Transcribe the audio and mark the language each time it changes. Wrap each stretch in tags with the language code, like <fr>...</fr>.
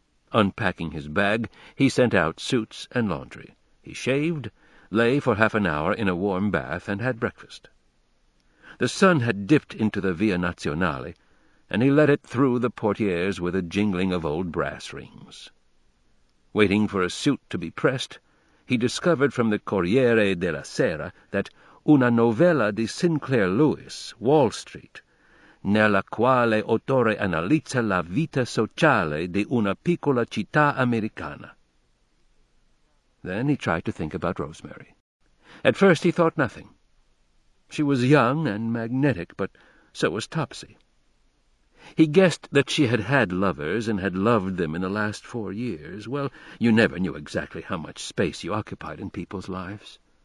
<en>Unpacking his bag, he sent out suits and laundry. He shaved, lay for half an hour in a warm bath, and had breakfast. The sun had dipped into the Via Nazionale, and he let it through the portieres with a jingling of old brass rings. Waiting for a suit to be pressed, he discovered from the Corriere della Sera that</en> <it>Una novella di Sinclair Lewis, Wall Street, nella quale autore analizza la vita sociale di una piccola città americana.</it> <en>Then he tried to think about Rosemary. At first he thought nothing. She was young and magnetic, but so was Topsy. He guessed that she had had lovers and had loved them in the last 4 years. Well, you never knew exactly how much space you occupied in people's lives.</en>